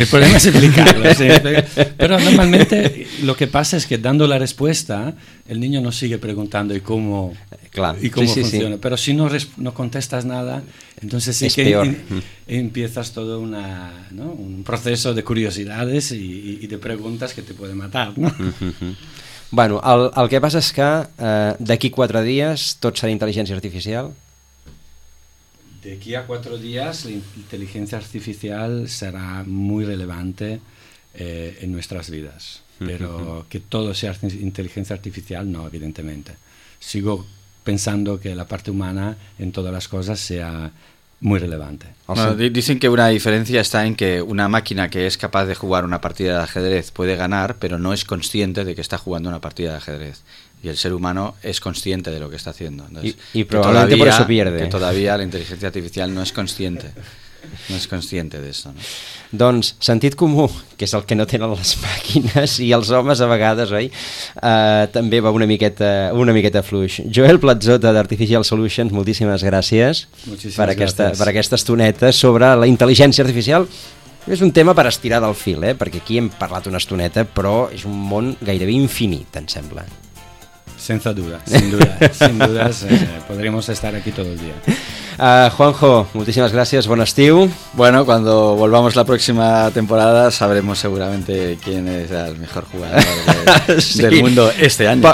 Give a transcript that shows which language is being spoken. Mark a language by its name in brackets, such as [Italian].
[Spanish] El problema es explicarlo, sí. Pero normalmente lo que pasa es que dando la respuesta, el niño no sigue preguntando y cómo, claro, y cómo sí, funciona. Sí, sí. Pero si no contestas nada, entonces sí es que peor. Empiezas todo un proceso de curiosidades y de preguntas que te puede matar, ¿no? Uh-huh. Bueno, el que pasa es que [Catalan] d'aquí 4 días tot serà intel·ligència artificial. [Spanish] De aquí a 4 días la inteligencia artificial será muy relevante en nuestras vidas, pero que todo sea inteligencia artificial no, evidentemente. Sigo pensando que la parte humana en todas las cosas sea muy relevante. Bueno, dicen que una diferencia está en que una máquina que es capaz de jugar una partida de ajedrez puede ganar, pero no es consciente de que está jugando una partida de ajedrez. Y el ser humano es consciente de lo que está haciendo. Entonces, y probablemente todavía, por eso pierde. Que todavía la inteligencia artificial no es consciente. No es consciente de eso, ¿no? [Catalan] Doncs, sentit comú, que és el que no tenen les màquines i els homes a vegades, oi? També va una miqueta fluix. Joel Platzotta d'Artificial Solutions, moltíssimes gràcies. Moltíssimes per aquesta estoneta sobre la intel·ligència artificial. És un tema per estirar del fil, perquè aquí hem parlat una estoneta, però és un món gairebé infinit, em sembla. Sense duda, [Spanish] sin dudas, podremos estar aquí todo el día. Juanjo, muchísimas gracias, buen estío. Bueno, cuando volvamos la próxima temporada sabremos seguramente quién es el mejor jugador del mundo este año.